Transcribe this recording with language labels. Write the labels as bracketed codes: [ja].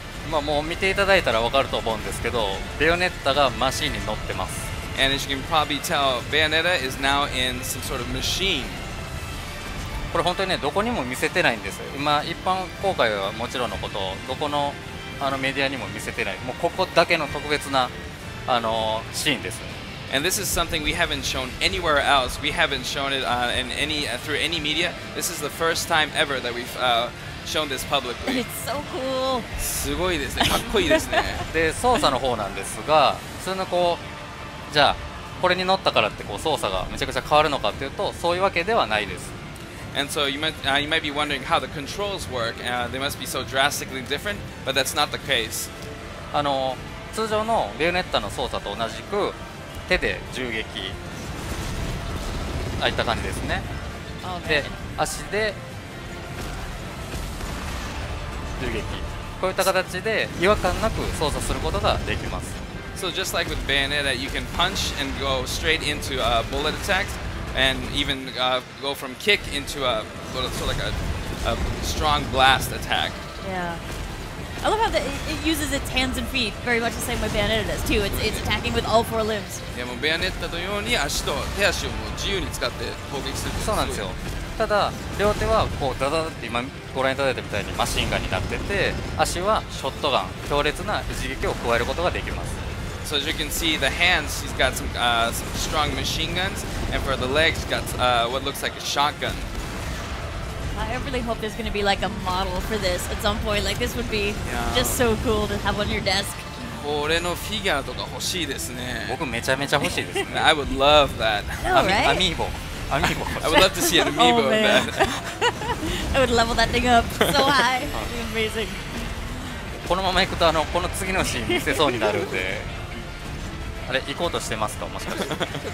[ja] まあもう見ていただいたらわかると思うんですけど、ベヨネッタがマシンに乗ってます。 [en] And as you can probably tell, Bayonetta is now in some sort of machine. [ja] これ本当にね、どこにも見せてないんです。今一般公開はもちろんのこと、どこのあのメディアにも見せてない。もうここだけの特別なあのシーンです。 [en] And this is something we haven't shown anywhere else. We haven't shown it in any, through any media. This is the first time ever that we've、shown this publicly. It's so cool. [ja] すごいですね。かっこいいですね。で、操作の方なんですが、普通のこう、じゃあこれに乗ったからってこう操作がめちゃくちゃ変わるのかっていうと、そういうわけではないです。 [en] And so you might be wondering how the controls work. They must be so drastically different, but that's not the case. [ja] あの、通常のベヨネッタの操作と同じく、手で銃撃、ああいった感じですね。 [en] Okay. [ja] で、足で銃撃、こういった形で違和感なく操作することができます。 [en] So just like with Bayonetta, you can punch and go straight into a bullet attack, and even go from kick into a sort of like a strong blast attack. Yeah. I love how it uses its hands and feet, very much the same way Bayonetta does too. It's attacking with all four limbs. Yeah, [ja] もうベヨネッタのように足と手足をもう自由に使って攻撃する。そうなんですよ。ただ両手はこうダダダって今ご覧いただいたみたいにマシンガンになってて、足はショットガン、強烈な一撃を加えることができます。 [en] So as you can see, the hands, he's got some strong machine guns, and for the legs, he's got what looks like a shotgun. I really hope there's going to be like a model for this at some point. Like this would be just so cool to have on your desk. [ja] これのフィギュアとか欲しいですね。僕めちゃめちゃ欲しいですね。 [en] I would love that. Amiibo. Amiibo. I would love to see an Amiibo of that. I would level that thing up so high. Amazing. [ja] このまま行くとあのこの次のシーン見せそうになるんで。あれ行こうとしてますかもしかして。